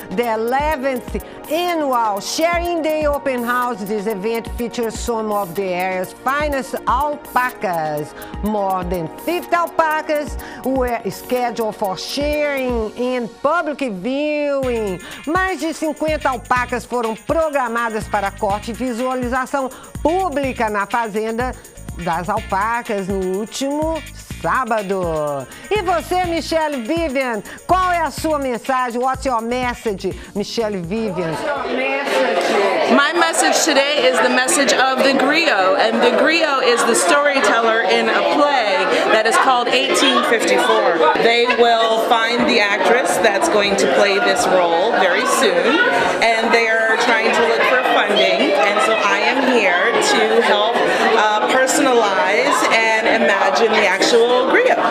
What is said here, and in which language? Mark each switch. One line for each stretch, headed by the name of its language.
English: The 11th annual Sharing Day Open House. This event features some of the area's finest alpacas. More than 50 alpacas were scheduled for sharing and public viewing.
Portuguese: Mais de 50 alpacas foram programadas para corte e visualização pública na fazenda das alpacas no último sábado. E você, Michelle Vivian, qual é a sua mensagem?
English: What's your message, Michelle Vivian? My message today is the message of the griot, and the griot is the storyteller in a play that is called 1854. They will find the actress that's going to play this role very soon, and they are trying to look for funding, and so I am here to help personalize and imagine the actual griot.